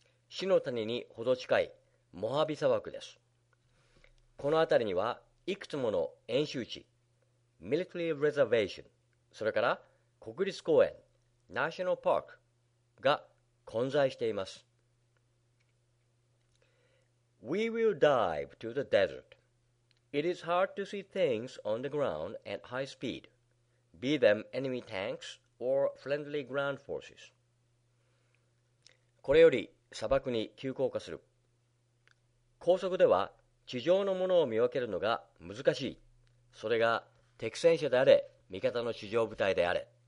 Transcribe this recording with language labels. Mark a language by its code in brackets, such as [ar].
[ja] 死の谷にほど近いモハビ砂漠です。この辺りにはいくつもの演習地 Military Reservation、 それから国立公園 National Park が混在しています。 [en] We will dive to the desert. It is hard to see things on the ground at high speed, be them enemy tanks or friendly ground forces. [ja] これより砂漠に急降下する。高速では地上のものを見分けるのが難しい。それが敵戦車であれ、味方の地上部隊であれ。